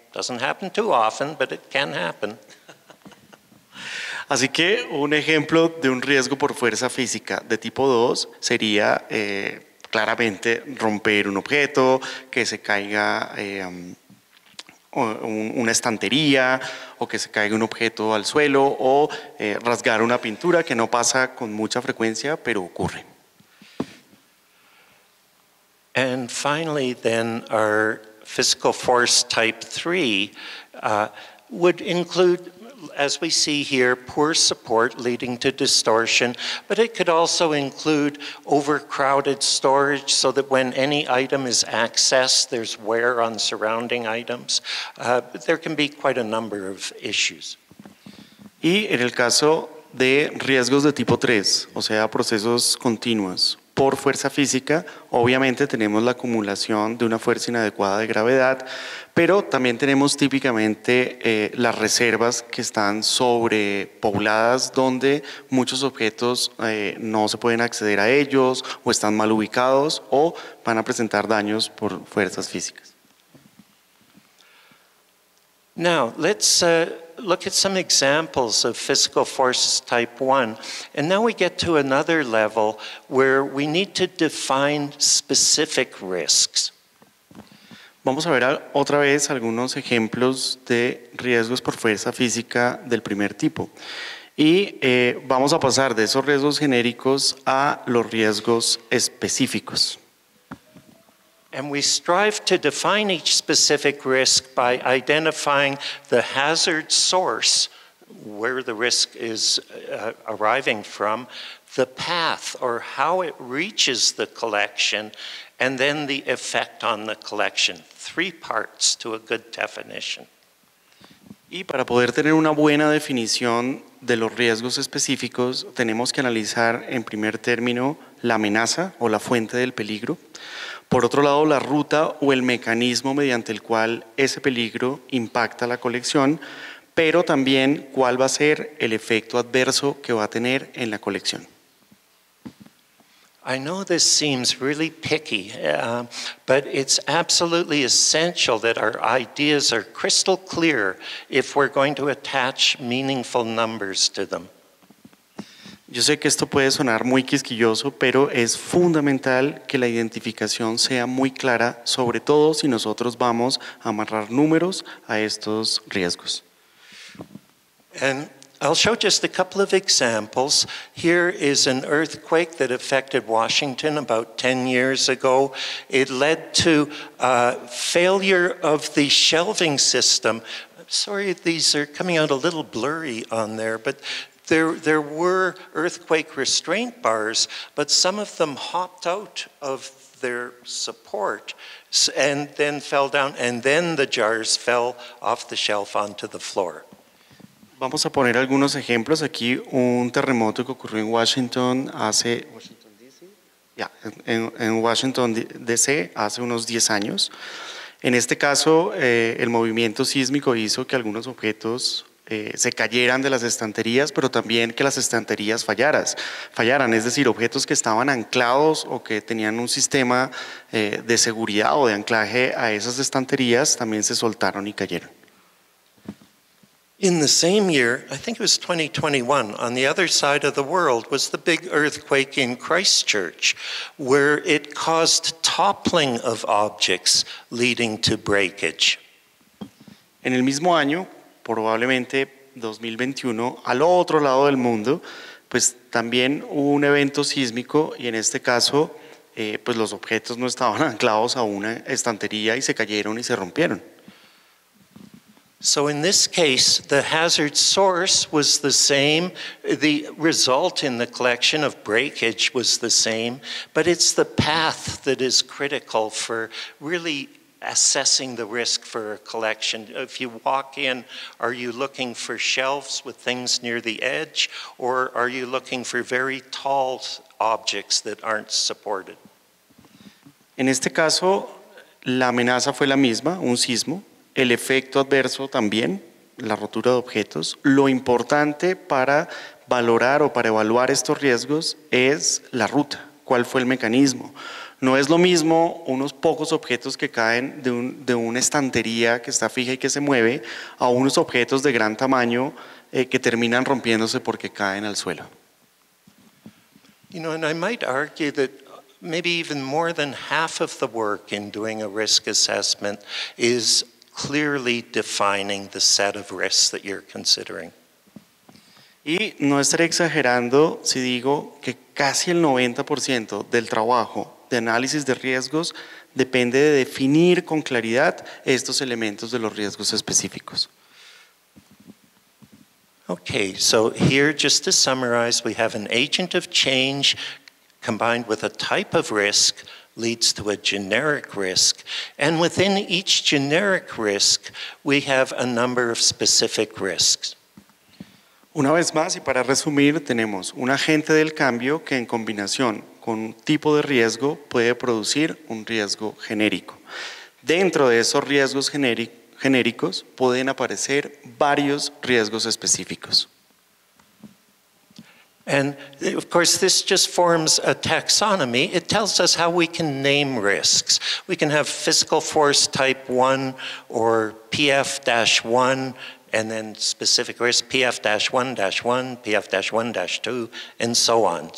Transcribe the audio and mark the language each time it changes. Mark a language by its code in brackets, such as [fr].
[en] Doesn't happen too often, but it can happen. [es] Así que un ejemplo de un riesgo por fuerza física de tipo 2 sería claramente romper un objeto, que se caiga una estantería, o que se caiga un objeto al suelo, o rasgar una pintura, que no pasa con mucha frecuencia, pero ocurre. [en] And finally, then, our physical force type 3 would include, as we see here, poor support leading to distortion, but it could also include overcrowded storage so that when any item is accessed, there's wear on surrounding items. There can be quite a number of issues. [es] Y en el caso de riesgos de tipo 3, o sea, procesos continuos. Por fuerza física, obviamente tenemos la acumulación de una fuerza inadecuada de gravedad, pero también tenemos típicamente las reservas que están sobrepobladas, donde muchos objetos no se pueden acceder a ellos, o están mal ubicados, o van a presentar daños por fuerzas físicas. [en] Now, let's look at some examples of physical force type 1. And now we get to another level where we need to define specific risks. [es] Vamos a ver otra vez algunos ejemplos de riesgos por fuerza física del primer tipo. Y vamos a pasar de esos riesgos genéricos a los riesgos específicos. [en] And we strive to define each specific risk by identifying the hazard source, where the risk is arriving from, the path or how it reaches the collection, and then the effect on the collection. Three parts to a good definition. [es] Y para poder tener una buena definición de los riesgos específicos, tenemos que analizar en primer término la amenaza o la fuente del peligro. Por otro lado, la ruta o el mecanismo mediante el cual ese peligro impacta la colección, pero también cuál va a ser el efecto adverso que va a tener en la colección. [en] I know this seems really picky, but it's absolutely essential that our ideas are crystal clear if we're going to attach meaningful numbers to them. [es] Yo sé que esto puede sonar muy quisquilloso, pero es fundamental que la identificación sea muy clara, sobre todo si nosotros vamos a amarrar números a estos riesgos. [en] And I'll show just a couple of examples. Here is an earthquake that affected Washington about 10 years ago. It led to a failure of the shelving system. Sorry, these are coming out a little blurry on there, but There were earthquake restraint bars, but some of them hopped out of their support and then fell down, and then the jars fell off the shelf onto the floor. [es] Vamos a poner algunos ejemplos aquí. Un terremoto que ocurrió en Washington hace... [en] Washington, D.C.? Yeah, [es] en Washington, D.C. hace unos 10 años. En este caso, el movimiento sísmico hizo que algunos objetos... se cayeran de las estanterías, pero también que las estanterías fallaran, es decir, objetos que estaban anclados o que tenían un sistema de seguridad o de anclaje a esas estanterías, también se soltaron y cayeron. [en] In the same year, I think it was 2021, on the other side of the world was the big earthquake in Christchurch, where it caused toppling of objects leading to breakage. [es] En el mismo año, probablemente 2021, al otro lado del mundo, pues también hubo un evento sísmico y en este caso, pues los objetos no estaban anclados a una estantería y se cayeron y se rompieron. [en] So in this case, the hazard source was the same, the result in the collection of breakage was the same, but it's the path that is critical for really assessing the risk for a collection. If you walk in, are you looking for shelves with things near the edge, or are you looking for very tall objects that aren't supported? [es] En este caso, la amenaza fue la misma, un sismo. El efecto adverso también, la rotura de objetos. Lo importante para valorar o para evaluar estos riesgos es la ruta. ¿Cuál fue el mecanismo? No es lo mismo unos pocos objetos que caen de una estantería que está fija y que se mueve a unos objetos de gran tamaño que terminan rompiéndose porque caen al suelo. [en] You know, and I might argue that maybe even more than half of the work in doing a risk assessment is clearly defining the set of risks that you're considering. [es] Y no estaré exagerando si digo que casi el 90% del trabajo de análisis de riesgos depende de definir con claridad estos elementos de los riesgos específicos. [en] Okay, so here just to summarize, we have an agent of change combined with a type of risk leads to a generic risk, and within each generic risk we have a number of specific risks. [es] Una vez más, y para resumir, tenemos un agente del cambio que en combinación con un tipo de riesgo puede producir un riesgo genérico. Dentro de esos riesgos genéricos pueden aparecer varios riesgos específicos. [en] And of course, this just forms a taxonomy. It tells us how we can name risks. We can have physical force type 1 or PF-1, and then specific risk PF-1-1, PF-1-2, and so on.